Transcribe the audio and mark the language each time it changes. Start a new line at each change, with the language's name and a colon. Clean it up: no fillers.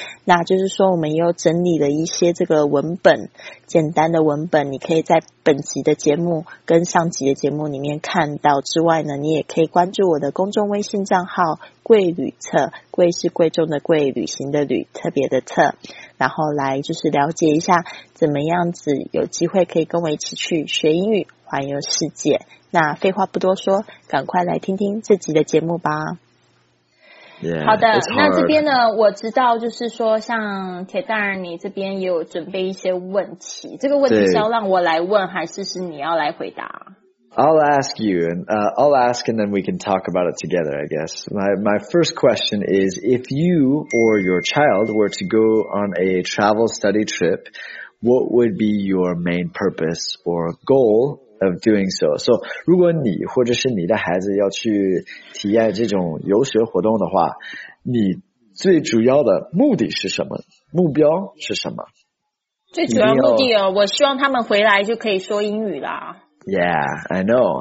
Chinese: 那就是说我们又整理了一些这个文本，简单的文本你可以在本集的节目跟上集的节目里面看到，之外呢你也可以关注我的公众微信账号贵旅册，贵是贵重的贵，旅行的旅，特别的册，然后来就是了解一下怎么样子有机会可以跟我一起去学英语环游世界。那废话不多说，赶快来听听这集的节目吧。
English: Yeah,
Chinese: 好的，那这边呢我知道就是说像铁蛋儿你这边也有准备一些问题，这个问题是要让我来问还是是你要来回答？
English: I'll ask you, and, I'll ask and then we can talk about it together, I guess. My first question is, if you or your child were to go on a travel study trip, what would be your main purpose or goal of doing so?
Chinese: So, 如果你或者是你的孩子要去体验这种游学活动的话，你最主要的目的是什么？目标是什么？最主要目的哦，我希望他们回来就可以说英语啦。
English: Yeah, I know.